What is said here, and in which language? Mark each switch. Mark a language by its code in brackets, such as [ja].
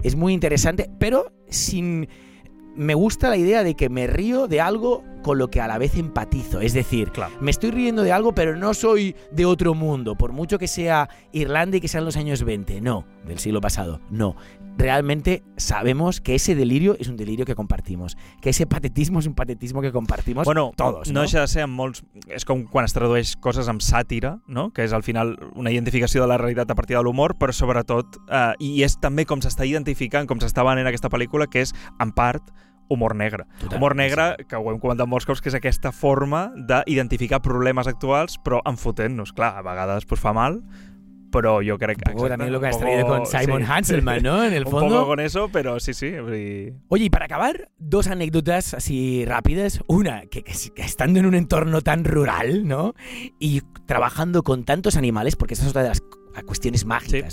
[es] es muy interesante, pero sin, me gusta la idea de que me río de algo con lo que a la vez empatizo. Es decir, claro, me estoy riendo de algo, pero no soy de otro mundo, por mucho que sea Irlanda y que sean los años 20, no, del siglo pasado, no. Realmente sabemos que ese delirio es un delirio que compartimos, que ese patetismo es un patetismo que compartimos, bueno, todos. [ca] No deixa de ser en molts, és com quan es tradueix coses amb sàtira, no? Que és al final una identificació de la realitat a partir de l'humor, però sobretot, i és també com s'està identificant, com s'està venent aquesta pel·lícula, que és en part humor negre. Total, humor negre, sí, que ho hem comentat molts cops, que és aquesta forma d'identificar problemes actuals, però enfotent-nos. Clar, a vegades pues, fa mal, però jo crec [es] que... Un poco también lo que has traído con Simon, sí, Hanselman, sí, ¿no? En el fondo. Un poco con eso, pero sí, sí. Oye, y para acabar, dos anécdotas así rápidas. Una, que estando en un entorno tan rural, ¿no? Y trabajando con tantos animales, porque esa es otra de las cuestiones mágicas,